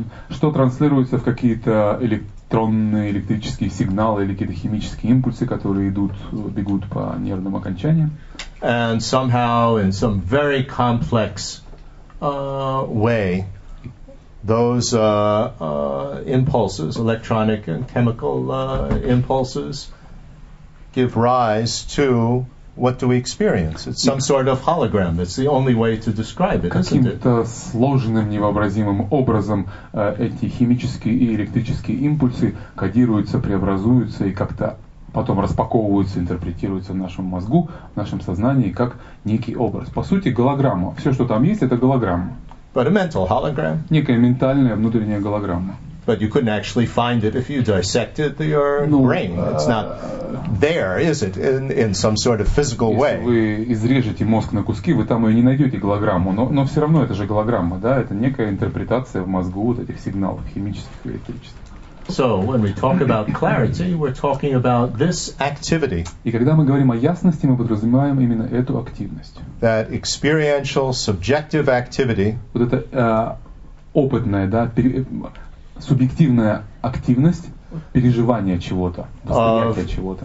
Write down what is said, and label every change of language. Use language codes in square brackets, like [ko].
[ru] Что транслируется в какие-то электронные, электрические сигналы или какие-то химические импульсы, которые идут, бегут по нервным окончаниям. [en] And somehow, in some very complex way, those impulses, electronic and chemical impulses, give rise to what do we experience? It's some sort of hologram. It's the only way to describe it, isn't it? [ru] Каким-то сложным, невообразимым образом эти химические и электрические импульсы кодируются, преобразуются и как-то потом распаковываются, интерпретируются в нашем мозгу, в нашем сознании, как некий образ. По сути, голограмма. Все, что там есть, это голограмма. [en] But a mental hologram. [ru] Некая ментальная внутренняя голограмма. [en] But you couldn't actually find it if you dissected your brain. It's not there, is it, in some sort of physical way? [ru] Если вы изрежете мозг на куски, вы там ее не найдете, голограмму. Но все равно это же голограмма, да? Это некая интерпретация в мозгу вот этих сигналов химических и электрических. [en] So when we talk about clarity, we're talking about this activity. [ru] И когда мы говорим о ясности, мы подразумеваем именно эту активность. [en] That experiential subjective activity. [ru] Вот это опытная, да, субъективная активность переживания чего-то, восприятия чего-то.